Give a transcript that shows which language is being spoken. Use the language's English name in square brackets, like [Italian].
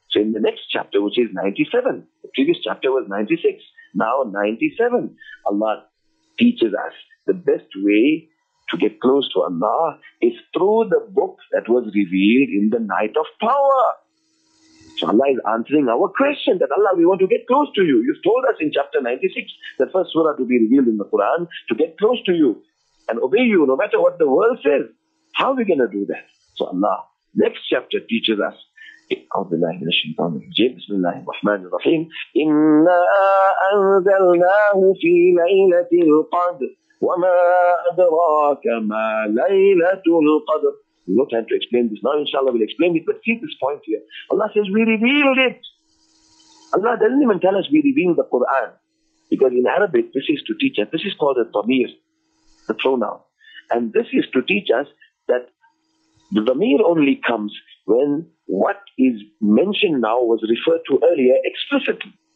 [English] So in the next chapter, which is 97, the previous chapter was 96, now 97, Allah teaches us the best way to get close to Allah is through the book that was revealed in the night of power. So Allah is answering our question that, Allah, we want to get close to you. You've told us in chapter 96, the first surah to be revealed in the Quran, to get close to you and obey you no matter what the world says. How are we going to do that? So Allah, next chapter teaches us, [Arabic] أعوذ بالله من الشيطان الرجيم بسم الله الرحمن الرحيم إنا أنزلناه في ليلة القدر وما أدراك ما ليلة القدر. [English] No time to explain this now, inshallah we'll explain it, but see this point here. Allah says we revealed it. Allah doesn't even tell us we revealed the Quran, because in Arabic this is to teach us, this is called a tamir, the pronoun, and this is to teach us that the tamir only comes when what is mentioned now was referred to earlier explicitly.